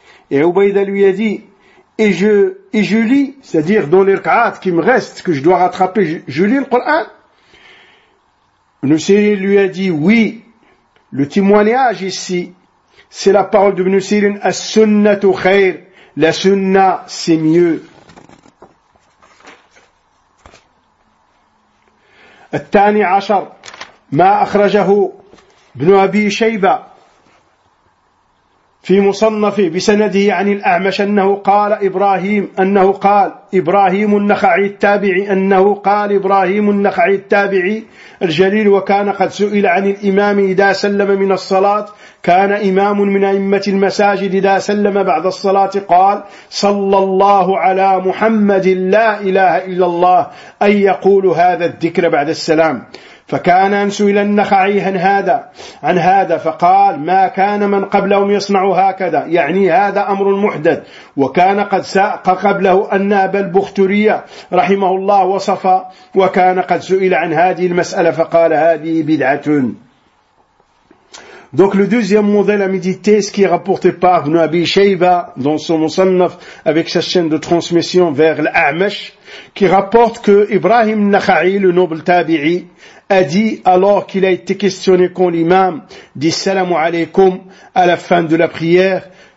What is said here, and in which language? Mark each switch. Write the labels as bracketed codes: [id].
[fr] Et Ubayda lui a dit, et je lis, c'est-à-dire dans les rak'at qui me restent, que je dois rattraper, je lis le Coran. Ibn Sirin lui a dit, oui, le témoignage ici, c'est la parole d'Ibn Sirin, [ar] as-sunnatu khair, [fr] la sunna c'est mieux. [ar] الثاني عشر ما أخرجه ابن أبي شيبة في مصنفه بسنده عن الأعمش أنه قال إبراهيم أنه قال إبراهيم النخعي التابعي أنه قال إبراهيم النخعي التابعي الجليل وكان قد سئل عن الإمام إذا سلم من الصلاة كان إمام من أئمة المساجد إذا سلم بعد الصلاة قال صلى الله على محمد لا إله إلا الله أن يقول هذا الذكر بعد السلام فكان أن سئل النخعي عن هذا فقال ما كان من قبلهم يصنع هكذا يعني هذا أمر محدث وكان قد ساق قبله أن أبا البختري رحمه الله وصف وكان قد سئل عن هذه المسألة فقال هذه بدعة. [fr] Donc le deuxième modèle à méditer, ce qui est rapporté par Ibn Abi Shayba dans son Musannaf avec sa chaîne de transmission vers l'A'mash, qui rapporte que Ibrahim Nakhai, le noble tabi'i, a dit alors qu'il a été questionné quand l'imam dit salamu alaykum à la fin de la prière,